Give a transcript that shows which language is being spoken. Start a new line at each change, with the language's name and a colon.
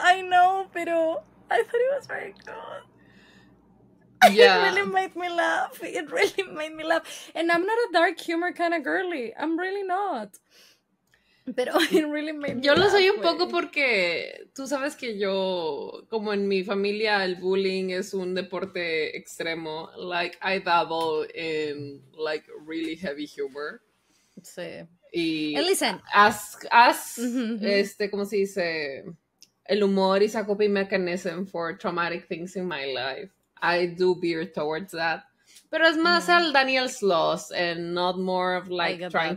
English: I know,
Spanish: pero
English: I thought it was very good. Yeah. It really made me laugh. It really made me laugh. And I'm not a dark humor kind of girly. I'm really not.
Spanish: Pero
English: it really made me laugh.
Spanish: Yo lo soy un wey. Poco porque tú sabes que yo, como en mi familia, el bullying es un deporte extremo.
English: Like, I dabble in, like, really heavy humor.
Spanish: Sí. Y
English: and listen. As mm-hmm.
Spanish: ¿Cómo se dice? El humor
English: is a coping mechanism for traumatic things in my life. I do veer towards that.
Spanish: Pero es más el
English: Daniel Sloss and not more of like trying